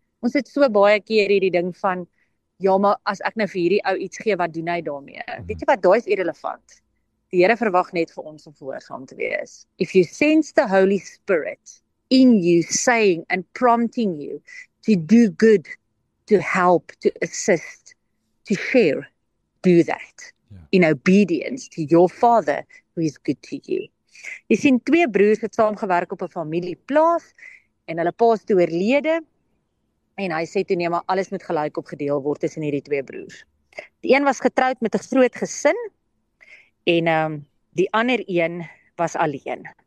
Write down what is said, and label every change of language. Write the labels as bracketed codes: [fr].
[af] Ons het so baie keer hierdie ding van, ja, maar as ek nou vir hierdie ou iets gee, wat doen hy daarmee? Weet jy wat, daai is irrelevant. Die Here verwag net vir ons om gehoorsaam te wees. [en] If you sense the Holy Spirit in you saying and prompting you to do good, to help, to assist, to share, do that. In obedience to your father who is good to you. [af] Jy sien twee broers het saamgewerk op 'n familieplaas en hulle pa is toe oorlede en hy sê toe nee, maar alles moet gelyk opgedeel word tussen hierdie twee broers. Die een was getroud met 'n groot gesin en die ander een was alleen.